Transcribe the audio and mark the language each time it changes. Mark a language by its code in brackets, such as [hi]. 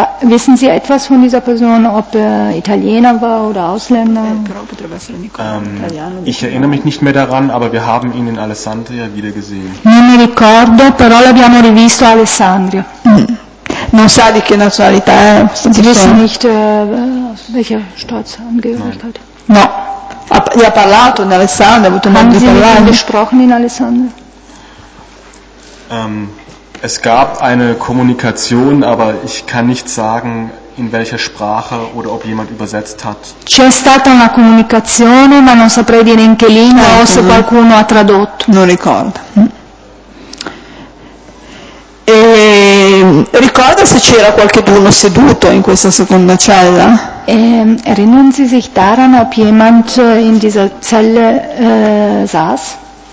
[de] Wissen Sie etwas von dieser Person, ob Italiener war oder Ausländer? Ich erinnere mich nicht mehr daran, aber wir haben ihn in Alessandria wieder gesehen. [it] Non mi ricordo, però l'abbiamo rivisto a Alessandria. Non sa di che nazionalità è. [de] Sie wissen nicht, aus welcher Staatsangehörigkeit. [it] No. Ha parlato in Alessandria, ha avuto modo di parlare. [de] Haben Sie gesprochen in Alessandria? Es gab eine Kommunikation, aber ich kann nicht sagen, in welcher Sprache oder ob jemand übersetzt hat. [it] C'è stata una comunicazione, ma non saprei dire in che lingua o se qualcuno ha tradotto. Non ricordo. E ricorda se c'era qualcuno seduto in questa seconda cella? [de] Erinnern Sie sich daran, ob jemand in dieser Zelle saß?